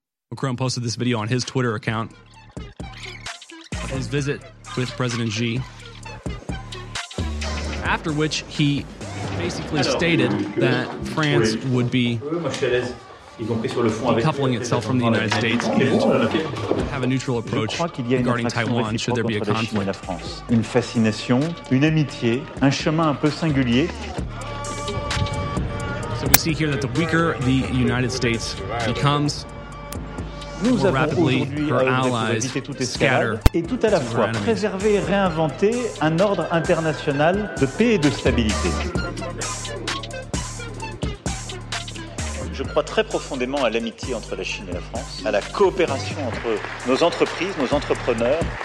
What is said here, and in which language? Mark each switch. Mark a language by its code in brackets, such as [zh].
[en] Macron posted this video on his Twitter account, his visit with President Xi, after which he basically stated that France would be decoupling itself from the United States and have a neutral approach regarding Taiwan should there be a conflict. [fr] Une fascination, une amitié, un chemin un peu singulier. [en] So we see here that the weaker the United States becomes, more rapidly her allies scatter. [fr] Et tout à la fois préserver et réinventer un ordre international de paix et de stabilité. Je crois très profondément à l'amitié entre la Chine et la France, à la coopération entre nos entreprises, nos entrepreneurs.